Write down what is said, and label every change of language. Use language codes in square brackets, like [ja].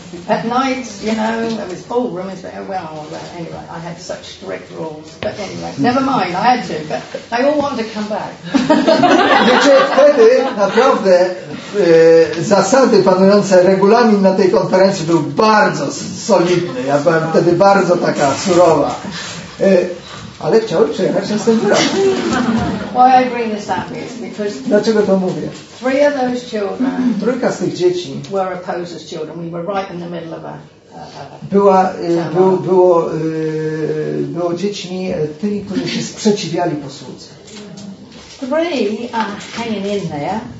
[en] At night, you know, it was all room inspection. Well, anyway, I had such strict rules. But anyway, never mind, I had to. But they all wanted to come back. [pl] Wiecie, wtedy naprawdę zasady panujące regulamin na tej konferencji był bardzo solidny. Ja byłem wtedy bardzo taka surowa. Ale chciałbym przyjechać na ten wyraz. [en] Why I bring this up is because [pl] dlaczego to mówię? [en] Three of those children, [pl] trójka z tych dzieci, [en] were opposers children. We were right in the middle of a [pl] było dziećmi tymi, którzy się sprzeciwiali posłudze. [en] Three are hanging in there.